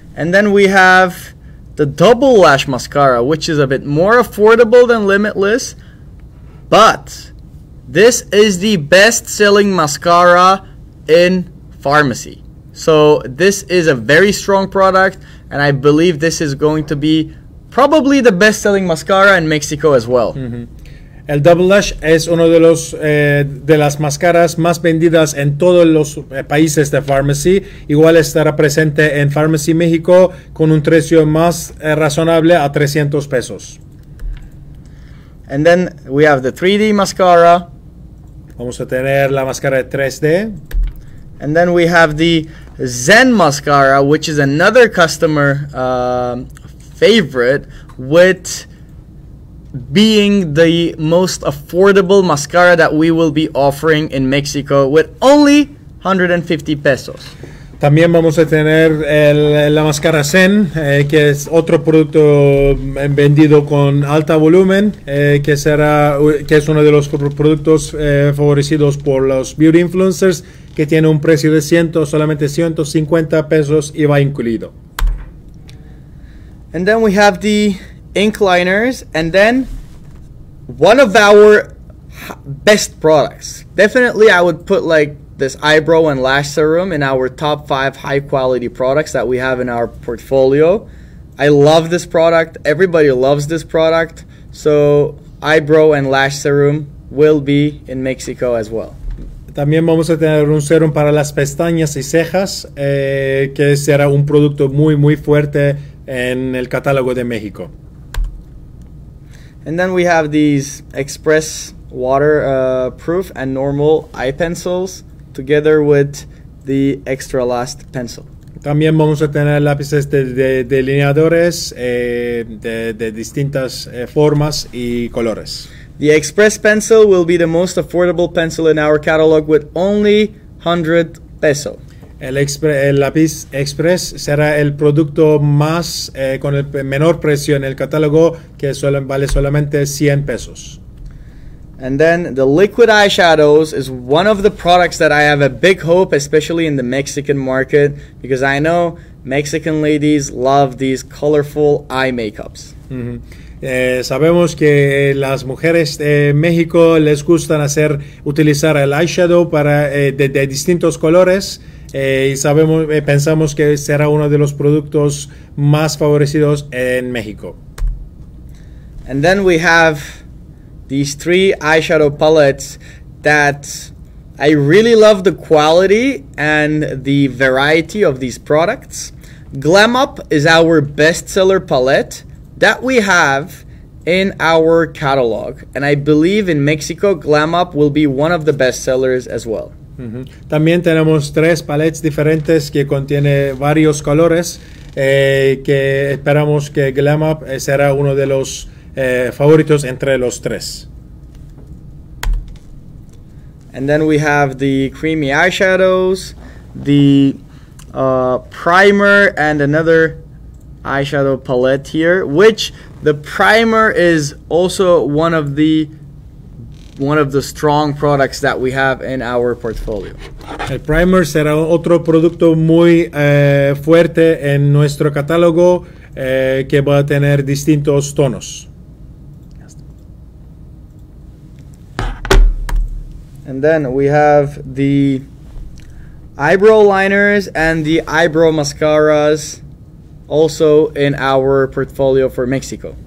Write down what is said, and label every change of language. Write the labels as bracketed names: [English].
[English] And then we have the Double Lash mascara, which is a bit more affordable than Limitless, but this is the best selling mascara in Farmasi. So this is a very strong product, and I believe this is going to be probably the best selling mascara in Mexico as well. Mm-hmm. [Spanish] El Double Lash es uno de los de las máscaras más vendidas en todos los países de Farmasi. Igual estará presente en Farmasi México con un precio más razonable a 300 pesos. [English] And then we have the 3D mascara. [Spanish] Vamos a tener la máscara de 3D. [English] And then we have the Zen mascara, which is another customer favorite with being the most affordable mascara that we will be offering in Mexico with only 150 pesos. [Spanish] También vamos a tener la máscara Zen, que es otro producto vendido con alta volumen, que es uno de los productos favorecidos por los beauty influencers, que tiene un precio de solamente 150 pesos y va incluido. [English] And then we have the ink liners, and then one of our best products. Definitely I would put like this eyebrow and lash serum in our top 5 high quality products that we have in our portfolio. I love this product. Everybody loves this product. So eyebrow and lash serum will be in Mexico as well. [Spanish] También vamos a tener un serum para las pestañas y cejas, que será un producto muy muy fuerte en el catálogo de México. [English] And then we have these express waterproof and normal eye pencils together with the extra last pencil. [Spanish] También vamos a tener lápices de delineadores de distintas formas y colores. [English] The express pencil will be the most affordable pencil in our catalog with only 100 pesos. [Spanish] El lápiz express será el producto más con el menor precio en el catálogo, que vale solamente 100 pesos. [English] And then the liquid eyeshadows is one of the products that I have a big hope, especially in the Mexican market, because I know Mexican ladies love these colorful eye makeups. Mm-hmm. [Spanish] Sabemos que las mujeres de México les gustan utilizar el eyeshadow para de distintos colores. Y sabemos, pensamos que será uno de los productos más favorecidos en México. [English] And then we have these three eyeshadow palettes that I really love the quality and the variety of these products. Glam Up is our bestseller palette that we have in our catalog. And I believe in Mexico, Glam Up will be one of the bestsellers as well. Mm-hmm. [Spanish] También tenemos tres paletas diferentes que contiene varios colores que esperamos que Glam Up será uno de los favoritos entre los tres. [English] And then we have the creamy eyeshadows, the primer, and another eyeshadow palette here, which the primer is also one of the strong products that we have in our portfolio. [Spanish] El primer será otro producto muy fuerte en nuestro catálogo que va a tener distintos tonos. [English] And then we have the eyebrow liners and the eyebrow mascaras also in our portfolio for Mexico.